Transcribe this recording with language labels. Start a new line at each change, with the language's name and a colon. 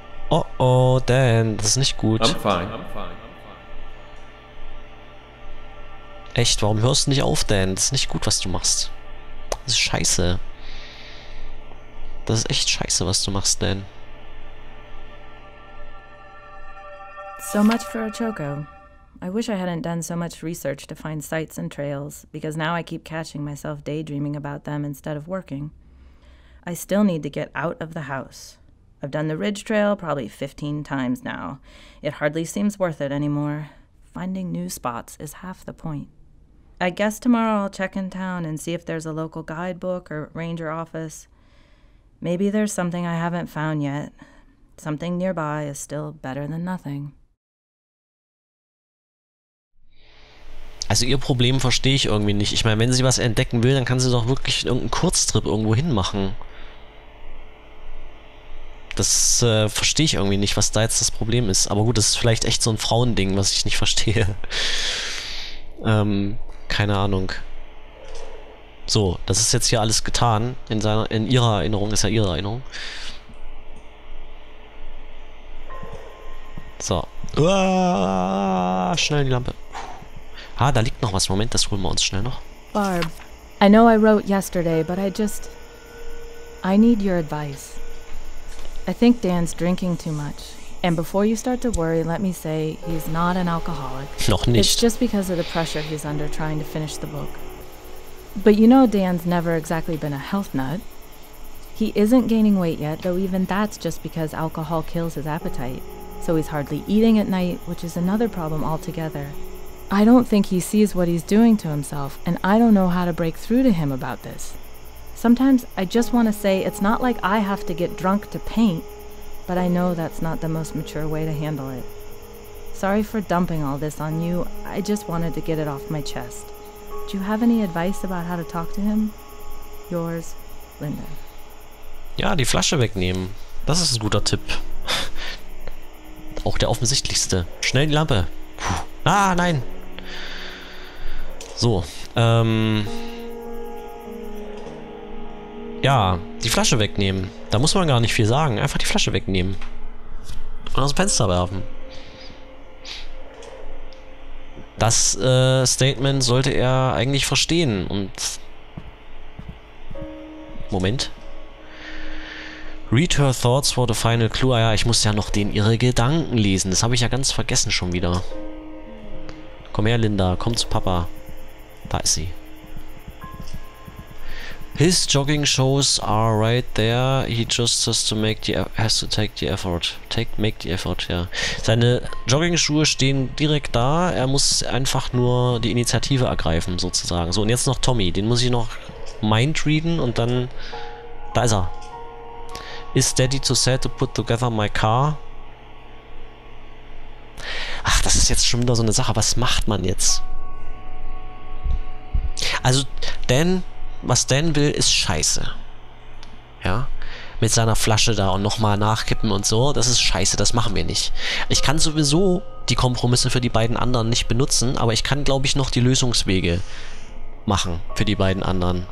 German: Oh oh, Dan, das ist nicht gut.
English: I'm fine. I'm fine. I'm fine.
German: Echt, warum hörst du nicht auf, Dan? Das ist nicht gut, was du machst. Das ist scheiße. Das ist echt scheiße, was du machst, Dan.
English: So much for a choco. I wish I hadn't done so much research to find sights and trails, because now I keep catching myself daydreaming about them instead of working. I still need to get out of the house. I've done the ridge trail probably 15 times now. It hardly seems worth it anymore. Finding new spots is half the point. I guess tomorrow I'll check in town and see if there's a local guidebook or ranger office. Maybe there's something I haven't found yet. Something nearby is still better than nothing.
German: Also ihr Problem verstehe ich irgendwie nicht. Ich meine, wenn sie was entdecken will, dann kann sie doch wirklich irgendeinen Kurztrip irgendwo hinmachen. Das verstehe ich irgendwie nicht, was da jetzt das Problem ist. Aber gut, das ist vielleicht echt so ein Frauending, was ich nicht verstehe. Keine Ahnung. So, das ist jetzt hier alles getan. In ihrer Erinnerung, ist ja ihre Erinnerung. So. Schnell in die Lampe. Ah, da liegt noch was. Moment, das holen wir uns schnell noch.
English: Barb, I know I wrote yesterday, but I just... I need your advice. I think Dan's drinking too much. And before you start to worry, let me say, he's not an alcoholic.
German: Noch nicht.
English: It's just because of the pressure he's under trying to finish the book. But you know Dan's never exactly been a health nut. He isn't gaining weight yet, though even that's just because alcohol kills his appetite. So he's hardly eating at night, which is another problem altogether. I don't think he sees what he's doing to himself, and I don't know how to break through to him about this. Sometimes I just want to say it's not like I have to get drunk to paint, but I know that's not the most mature way to handle it. Sorry for dumping all this on you, I just wanted to get it off my chest. Do you have any advice about how to talk to him? Yours, Linda.
German: Ja, die Flasche wegnehmen. Das ist ein guter Tipp. Auch der offensichtlichste. Schnell die Lampe. Ah, nein! So, ja, die Flasche wegnehmen. Da muss man gar nicht viel sagen. Einfach die Flasche wegnehmen. Und aus dem Fenster werfen. Das Statement sollte er eigentlich verstehen. Und Moment.
English: Read her thoughts for the final clue.
German: Ah ja, ich muss ja noch den ihre Gedanken lesen. Das habe ich ja ganz vergessen schon wieder. Komm her, Linda. Komm zu Papa. Da ist sie.
English: His jogging shoes are right there. He just has to take the effort. Make the effort, ja.
German: Seine Jogging-Schuhe stehen direkt da. Er muss einfach nur die Initiative ergreifen, sozusagen. So, und jetzt noch Tommy. Den muss ich noch mindreaden und dann... Da ist er.
English: Is Daddy too sad to put together my car?
German: Ach, das ist jetzt schon wieder so eine Sache. Was macht man jetzt? Also, denn... Was Dan will, ist scheiße. Ja? Mit seiner Flasche da und nochmal nachkippen und so, das ist scheiße, das machen wir nicht. Ich kann sowieso die Kompromisse für die beiden anderen nicht benutzen, aber ich kann, glaube ich, noch die Lösungswege machen für die beiden anderen.